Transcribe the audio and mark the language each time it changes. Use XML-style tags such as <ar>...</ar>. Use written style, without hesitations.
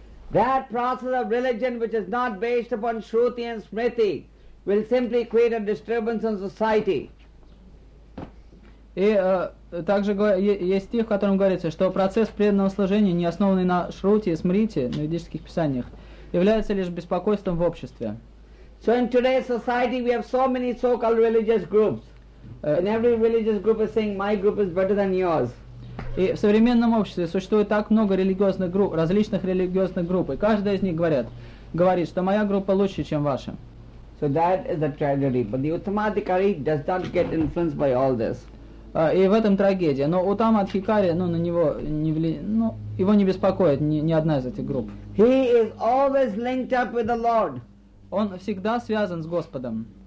<en>That process of religion which is not based upon shruti and smriti will simply create a disturbance in society.</en> <ru>И также есть стих, в котором говорится, что процесс преданного служения, не основанный на шрути и смрите, на ведических писаниях, является лишь беспокойством в обществе.</ru> <en>So in today's society we have so many so-called religious groups. And every religious group is saying, my group is better than yours.</en> <ru>И в современном обществе существует так много религиозных групп, различных религиозных групп, и каждая из них говорит, что моя группа лучше, чем ваша.</ru> <en>So that is a tragedy. But the Uttamadhikari does not get influenced by all this.</en> <ru>И в этом трагедия. Но Уттамадхикари, на него не его не беспокоит ни одна из этих групп.</ru> <en>He is always linked up with the Lord.</en> <ru>Он всегда связан с Господом.</ru>